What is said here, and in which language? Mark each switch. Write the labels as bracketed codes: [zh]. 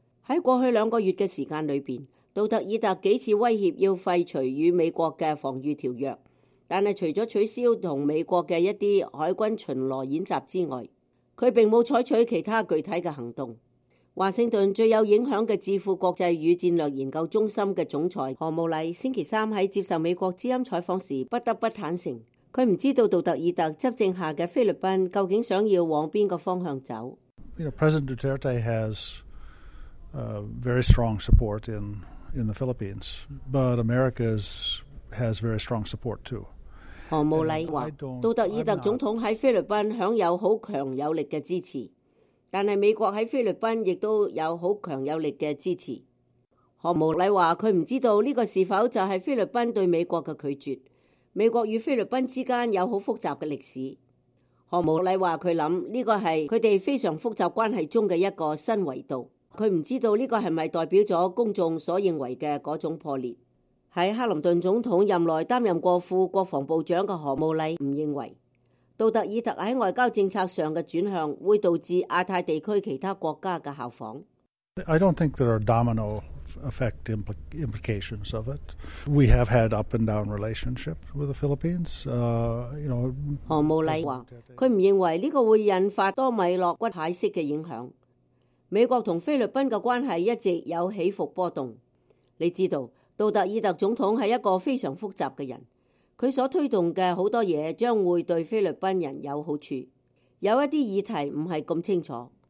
[zh] 在过去两个月的时间里面，杜特尔特几次威胁要废除与美国的防御条约，但是除了取消和美国的一些海军巡逻演习之外，他并没有采取其他具体的行动。华盛顿最有影响的智库国际与战略研究中心的总裁何慕丽星期三在接受美国之音采访时不得不坦承，他不知道杜特尔特执政下的菲律宾究竟想要往哪个方向走。 [en] You know, President Duterte has very strong support in the Philippines, but America has very strong support too. [zh] 何慕丽说，杜特尔特总统在菲律宾享有很强有力的支持，但是美国在菲律宾亦都有很强有力的支持。何慕丽说，他不知道这个是否就是菲律宾对美国的拒绝。美国与菲律宾之间有很复杂的历史。何慕丽说，他想这个是他们非常复杂关系中的一个新维度。他不知道这个是不是代表了公众所认为的那种破裂。在克林顿总统任内担任过副国防部长的何慕丽不认为杜特尔特在外交政策上的转向会导致亚太地区其他国家的效仿。 [en] I don't think there are domino effect implications of it. We have had up and down relationship with the Philippines. [zh] 何慕丽说，他不认为这个会引发多米诺骨牌式的影响。美国和菲律宾的关系一直有起伏波动。你知道，杜特尔特总统是一个非常复杂的人。他所推动的很多事将会对菲律宾人有好处，有一些议题不是那么清楚。